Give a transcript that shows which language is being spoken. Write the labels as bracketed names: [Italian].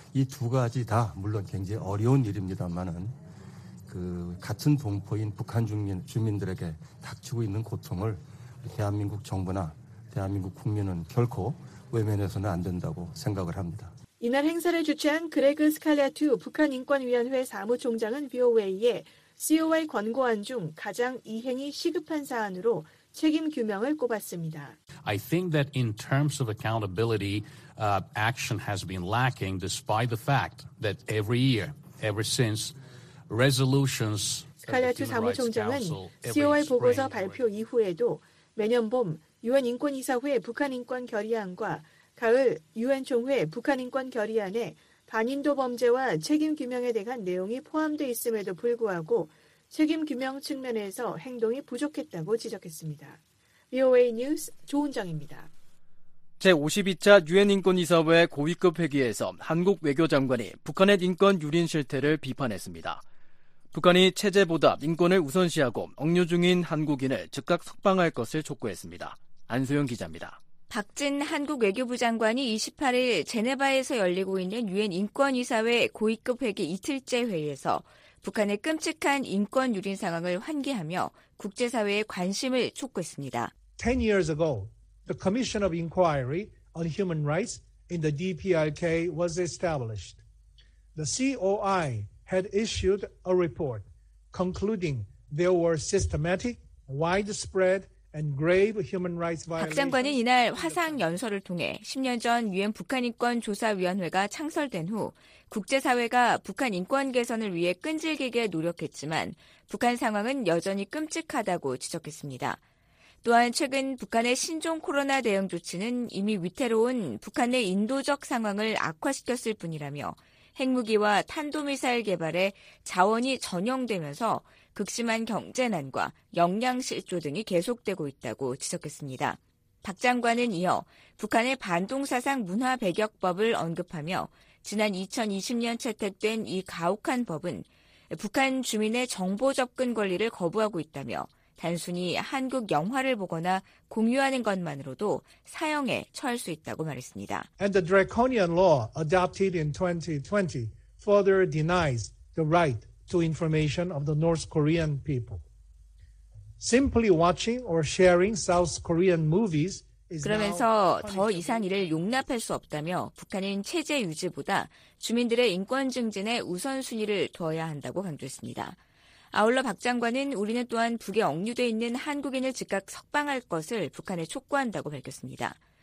[Korean] 이 두 가지 다 물론 굉장히 어려운 일입니다만은 그 같은 동포인 북한 주민들에게 닥치고 있는 고통을 대한민국 정부나 대한민국 국민은 결코 외면해서는 안 된다고 생각을 합니다. 이날 행사를 주최한 그레그 스칼라투 북한인권위원회 사무총장은 BOA에 COI 권고안 중 가장 이행이 시급한 사안으로 책임 규명을 꼽았습니다. [English] I think that in terms of accountability, action has been lacking despite the fact that every year, ever since resolutions... [Korean] 스칼라투 사무총장은 COI 보고서 발표 이후에도 매년 봄 유엔 인권이사회 북한 인권 결의안과 가을 유엔 총회 북한 인권 결의안에 반인도 범죄와 책임 규명에 대한 내용이 포함돼 있음에도 불구하고 책임 규명 측면에서 행동이 부족했다고 지적했습니다. VOA 뉴스 조은정입니다. 제52차 유엔 인권 이사회 고위급 회기에서 한국 외교장관이 북한의 인권 유린 실태를 비판했습니다. 북한이 체제보다 인권을 우선시하고 억류 중인 한국인을 즉각 석방할 것을 촉구했습니다. 안소영 기자입니다. 박진 한국 외교부 장관이 28일 제네바에서 열리고 있는 유엔 인권이사회 고위급 회기 이틀째 회의에서 북한의 끔찍한 인권 유린 상황을 환기하며 국제사회의 관심을 촉구했습니다. [English] 10 years ago, the Commission of Inquiry on Human Rights in the DPRK was established. The COI had issued a report concluding there were systematic, widespread, [Korean] 박 장관은 이날 화상 연설을 통해 10년 전 유엔 북한인권조사위원회가 창설된 후 국제사회가 북한 인권 개선을 위해 끈질기게 노력했지만 북한 상황은 여전히 끔찍하다고 지적했습니다. 또한 최근 북한의 신종 코로나 대응 조치는 이미 위태로운 북한의 인도적 상황을 악화시켰을 뿐이라며 핵무기와 탄도미사일 개발에 자원이 전용되면서 극심한 경제난과 영양실조 등이 계속되고 있다고 지적했습니다. 박 장관은 이어 북한의 반동사상 문화 배격법을 언급하며 지난 2020년 채택된 이 가혹한 법은 북한 주민의 정보 접근 권리를 거부하고 있다며 단순히 한국 영화를 보거나 공유하는 것만으로도 사형에 처할 수 있다고 말했습니다. [English] And the draconian law adopted in 2020 further denies the right to information of the North Korean people. Simply watching or sharing South Korean movies is [Korean] 그러면서 더 이상 이를 용납할 수 없다며 북한은 체제 유지보다 주민들의 인권 증진에 우선순위를 둬야 한다고 강조했습니다. 아울러 박 장관은 우리는 또한 북에 억류돼 있는 한국인을 즉각 석방할 것을 북한에 촉구한다고 밝혔습니다.